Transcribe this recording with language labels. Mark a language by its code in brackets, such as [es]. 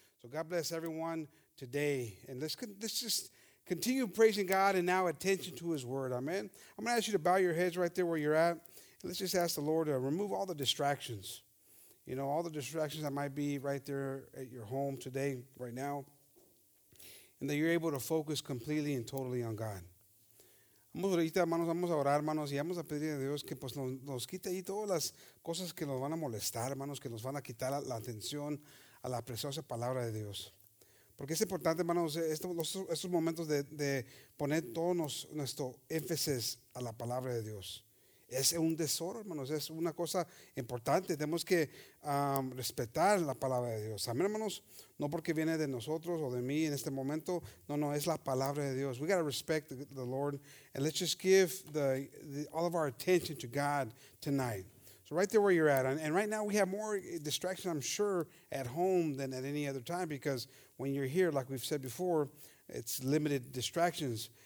[en] So God bless everyone today. And let's just continue praising God and now attention to his word. Amen. I'm going to ask you to bow your heads right there where you're at. And let's just ask the Lord to remove all the distractions. You know, all the distractions that might be right there at your home today, right now. And that you're able to focus completely and totally on God. [es] Vamos ahorita, hermanos, vamos a orar, hermanos, y vamos a pedir a Dios que pues nos quite ahí todas las cosas que nos van a molestar, hermanos, que nos van a quitar la atención a la preciosa palabra de Dios. Porque es importante, hermanos, estos momentos de poner todo nuestro énfasis a la palabra de Dios. Es un tesoro, hermanos, es una cosa importante. Tenemos que respetar la palabra de Dios. Amén, hermanos, no porque viene de nosotros o de mí en este momento. No, no, es la palabra de Dios. [en] We got to respect the Lord. And let's just give all of our attention to God tonight. So right there where you're at. And right now we have more distractions, I'm sure, at home than at any other time. Because when you're here, like we've said before, it's limited distractions.